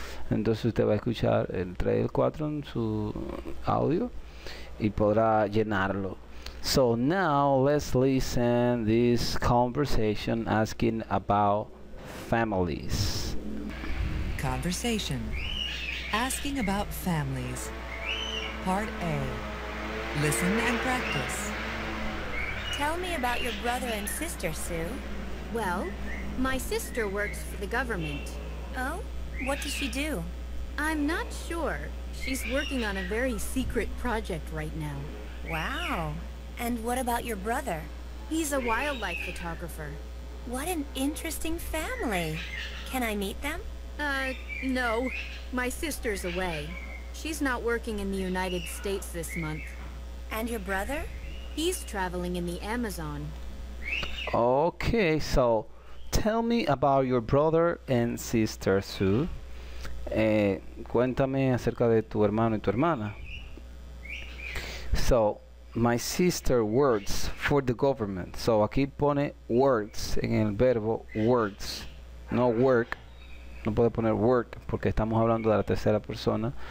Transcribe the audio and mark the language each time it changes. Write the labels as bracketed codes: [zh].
[es] Entonces usted va a escuchar el 3 y el 4 en su audio y podrá llenarlo. [en] So now let's listen this conversation asking about families. Conversation. Asking about families. Part A. Listen and practice. Tell me about your brother and sister, Sue. Well, my sister works for the government. Oh? What does she do? I'm not sure. She's working on a very secret project right now. Wow. And what about your brother? He's a wildlife photographer. What an interesting family. Can I meet them? No. My sister's away. She's not working in the United States this month. And your brother? He's traveling in the Amazon. Okay, so tell me about your brother and sister, Sue. [es] Cuéntame acerca de tu hermano y tu hermana. [en] So, my sister works for the government. [es] So, aquí pone works en el verbo works. No work. No puede poner work porque estamos hablando de la tercera persona.